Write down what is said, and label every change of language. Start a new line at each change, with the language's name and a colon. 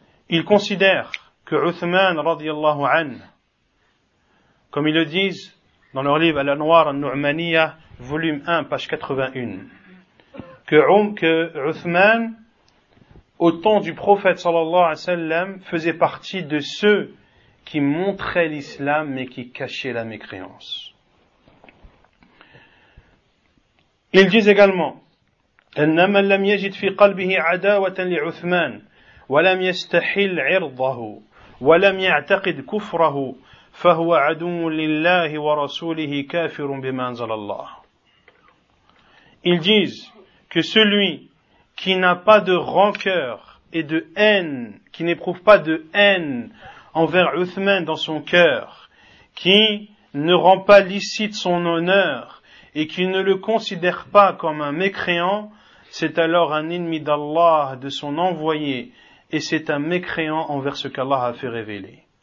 French: Ils considèrent que Uthman رضي الله عنه, comme ils le disent dans leur livre Al-Anwar al-Nu'maniya, volume 1, page 81, que Uthman, au temps du prophète sallallahu alayhi wa sallam, faisait partie de ceux qui montraient l'islam mais qui cachaient la mécréance. Ils disent également,
Arabic: إنما لم يجد في قلبه عداوة لعثمان ولم يستحل عرضه ولم يعتقد كفره فهو عدو لله ورسوله كافر بما أنزل الله.
French: Ils disent que celui qui n'a pas de rancœur et de haine, qui n'éprouve pas de haine envers Uthman dans son cœur, qui ne rend pas licite son honneur et qui ne le considère pas comme un mécréant, c'est alors un ennemi d'Allah, de son envoyé, et c'est un mécréant envers ce qu'Allah a fait révéler.